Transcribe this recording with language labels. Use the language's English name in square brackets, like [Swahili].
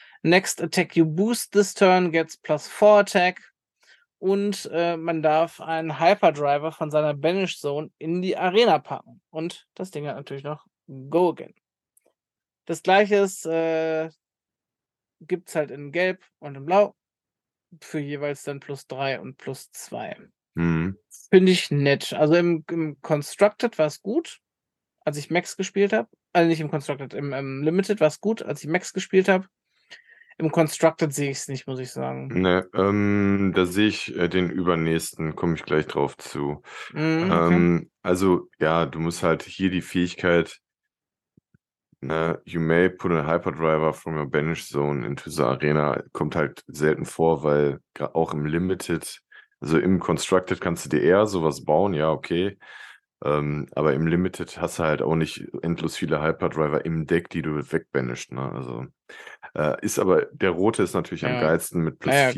[English] Next Attack you boost this turn gets plus 4 Attack. [German] Und man darf einen Hyperdriver von seiner Banished Zone in die Arena packen. Und das Ding hat natürlich noch Go Again. Das gleiche gibt es halt in Gelb und in Blau für jeweils dann plus 3 und plus 2. Finde ich nett. Also im Constructed war es gut, als ich Max gespielt habe. Also nicht im Constructed, im Limited war es gut, als ich Max gespielt habe. Im Constructed sehe ich es nicht, muss ich sagen. Ne, da sehe ich den übernächsten, komme ich gleich drauf zu. Okay. Also ja, du musst halt hier die Fähigkeit. [English] You may put a Hyperdriver from your Banished Zone into the Arena. [German] Kommt halt selten vor, weil auch im Limited, also im Constructed kannst du dir eher sowas bauen, ja, okay. Aber im Limited hast du halt auch nicht endlos viele Hyperdriver im Deck, die du wegbanished. Ne? Also, ist aber, der rote ist natürlich am geilsten mit plus 4.